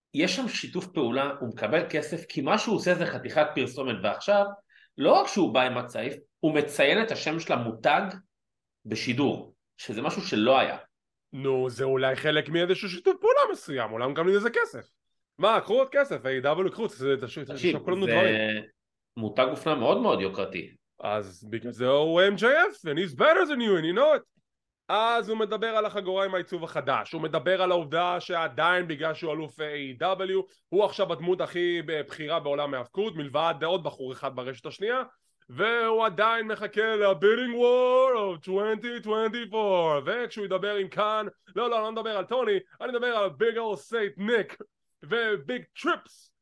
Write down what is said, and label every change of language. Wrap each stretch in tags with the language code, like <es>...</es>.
<he>יש שם שיתוף פעולה, הוא מקבל כסף, כי מה שהוא עושה זה חתיכת פרסומת, ועכשיו, לא רק שהוא בא עם הצעיף, הוא מציין את השם של המותג בשידור, שזה משהו שלא היה. נו, זה אולי חלק מאיזשהו שיתוף פעולה מסוים, אולי מקבלים איזה כסף. מה, קחו עוד כסף, AW, קחו, זה שוקלנו דברים. מותג אופנה מאוד מאוד יוקרתי. אז בגלל זה הוא</he> <en>MJF, and he's better than you, and you know it.</en> <he>אז הוא מדבר על החגורה עם העיצוב החדש, הוא מדבר על העובדה שעדיין בגלל שהוא אלוף AEW, הוא עכשיו הדמות הכי בחירה בעולם ההפקות, מלבד עוד בחור אחד ברשת השנייה, והוא עדיין מחכה ל-Bidding War of 2024, וכשהוא ידבר עם קאהן, לא מדבר על טוני, אני מדבר על Big Old Saint Nick, ו-Big Trips.</he>